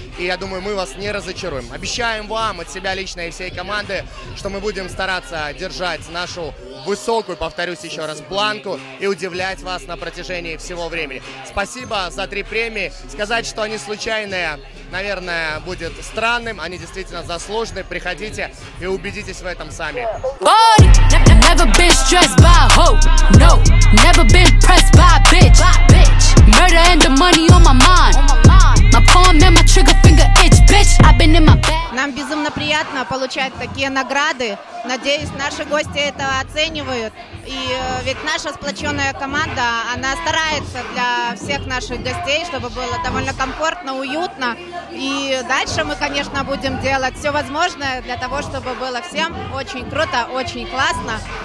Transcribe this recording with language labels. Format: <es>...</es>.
<ru>И я думаю, мы вас не разочаруем. Обещаем вам от себя лично и всей команды, что мы будем стараться держать нашу высокую, повторюсь еще раз, планку и удивлять вас на протяжении всего времени. Спасибо за три премии. Сказать, что они случайные, наверное, будет странным. Они действительно заслужены. Приходите и убедитесь в этом сами.</ru> <en>Never been stressed by a hoe, no. Never been pressed by a bitch, bitch. Murder and the money on my mind. My palm and my trigger finger itch, bitch. I've been in my bag.</en> <ru>Нам безумно приятно получать такие награды. Надеюсь, наши гости это оценивают. И ведь наша сплоченная команда, она старается для всех наших гостей, чтобы было довольно комфортно, уютно. И дальше мы, конечно, будем делать все возможное для того, чтобы было всем очень круто, очень классно.</ru>